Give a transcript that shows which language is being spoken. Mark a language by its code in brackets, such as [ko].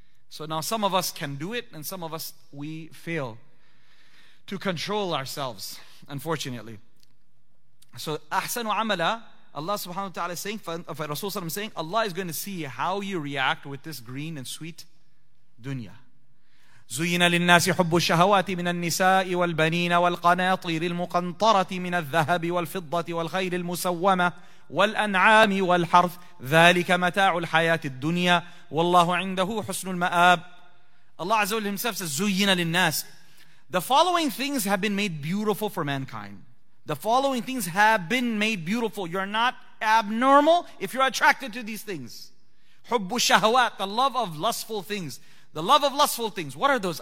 [en] So now some of us can do it, and some of us, we fail to control ourselves, unfortunately. So ahsanu amala, Allah subhanahu wa ta'ala is saying, Rasulullah is saying, Allah is going to see how you react with this green and sweet dunya. [ar] زين للناس حب الشهوات من النساء والبنين والقناطير المقنطرة من الذهب والفضة والخيل المسومة والأنعام والحرث ذلك متاع الحياة الدنيا والله عنده حسن المآب. [en] Allah Azza wa Jalla himself says, [ar] زين للناس. [en] The following things have been made beautiful for mankind. The following things have been made beautiful. You're not abnormal if you're attracted to these things. [ar] حب الشهوات, [en] the love of lustful things. The love of lustful things. What are those?